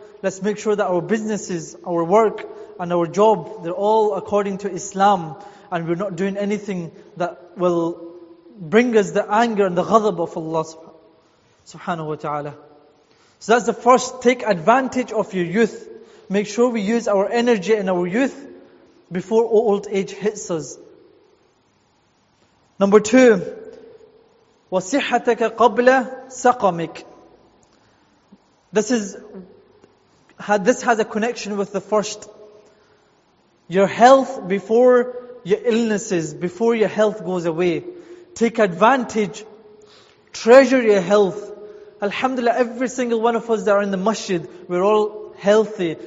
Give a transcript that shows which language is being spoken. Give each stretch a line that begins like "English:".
English: Let's make sure that our businesses, our work and our job, they're all according to Islam, and we're not doing anything that will bring us the anger and the ghadab of Allah subhanahu wa ta'ala. So that's the first, take advantage of your youth. Make sure we use our energy and our youth before old age hits us.
Arabic: Number two, وَصِحَّتَكَ قَبْلَ سَقَمِكَ.
English: This has a connection with the first. Your health before your illnesses, before your health goes away. Take advantage. Treasure your health. Alhamdulillah, every single one of us that are in the masjid, we're all healthy.